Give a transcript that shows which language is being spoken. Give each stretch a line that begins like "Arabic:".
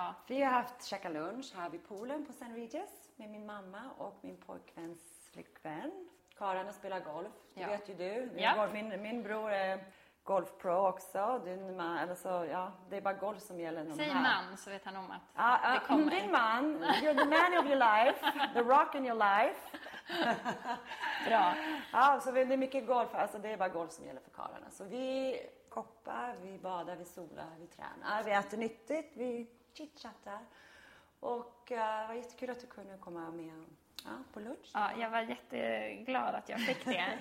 Swedish: Vi har haft käka lunch här vid poolen på St. Regis med min mamma och min pojkväns flickvän. Karin har spelat golf, det vet ju du. Min bror är golfpro också. Det är bara golf som gäller. Säg här. Man, så vet han om att det kommer. Din man,
English: you're the man of your life, the rock in your life.
Swedish: Bra. Ja, så det är mycket golf, alltså det är bara golf som gäller för karlarna. Så vi koppar, vi badar, vi solar, vi tränar, vi äter nyttigt, vi chitchattar. Och det var jättekul att du kunde komma med. Ja, på lunch. Ja, jag var jätteglad att jag fick det.